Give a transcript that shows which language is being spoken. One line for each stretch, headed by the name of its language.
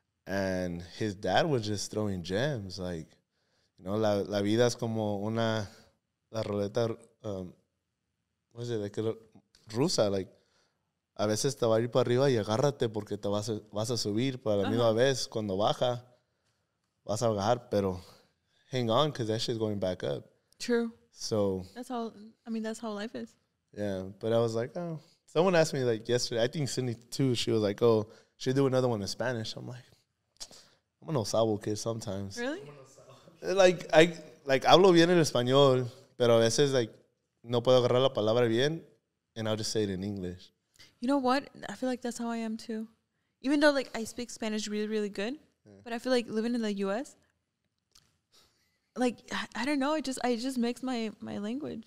English: And his dad was just throwing gems, like, you know,
Spanish: la vida es como una, la ruleta,
English: what is it, like,
Spanish: rusa, like, a veces te va a ir para arriba y agárrate porque te vas a subir, pero la misma vez, cuando baja, vas a bajar, pero
English: hang on, because that shit's going back up. True. So. That's how life is. Yeah, but I was like, oh, someone asked me, like, yesterday, I think Cindy, too, she was like, oh, she'll do another one in Spanish. I'm like. I'm an Osabo kid sometimes. Really? Like, I
Spanish: hablo bien en español, pero a veces, like, no puedo agarrar la palabra bien,
English: and I'll just say it in English. You know what? I feel like that's how I am, too. Even though, like, I speak Spanish really, really good, but I feel like living in the U.S., like, I don't know. It just makes my language.